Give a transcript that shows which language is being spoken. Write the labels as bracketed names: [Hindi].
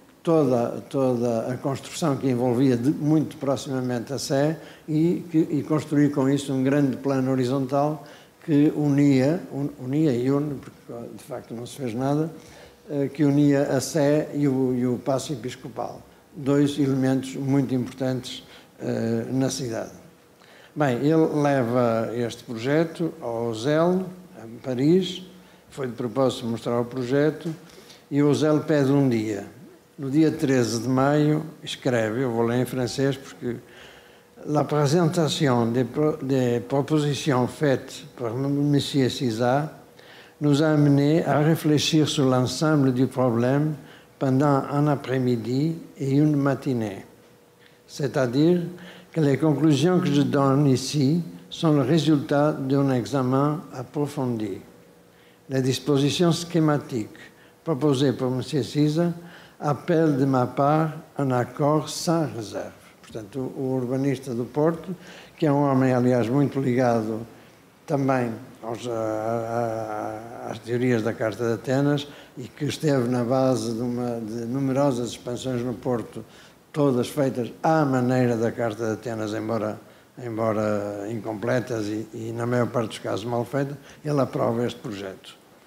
[Portuguese] toda a construção que envolvia muito proximamente a Sé, e construir com isso um grande plano horizontal que unia, porque de facto não se fez nada, que unia a Sé e o Paço Episcopal, dois elementos muito importantes na cidade. Bem, ele leva este projeto ao Ozel, a Paris, foi de propósito mostrar o projeto, e o Ozel pede um dia. No dia 13 de maio, escreve, eu vou ler em francês, porque [French] la présentation de proposition faite par Monsieur César nous a amené à réfléchir sur l'ensemble du problème pendant un après-midi et une matinée. C'est-à-dire que les conclusions que je donne ici sont le résultat d'un examen approfondi. La disposition schématique proposée par Monsieur César appelle de ma part un accord sans réserve. [Portuguese] Portanto, o urbanista do Porto, que é um homem, aliás, muito ligado também às teorias da Carta de Atenas, e que esteve na base de numerosas expansões no Porto, todas feitas à maneira da Carta de Atenas, embora incompletas e na maior parte dos casos mal feitas, ele aprova este projeto.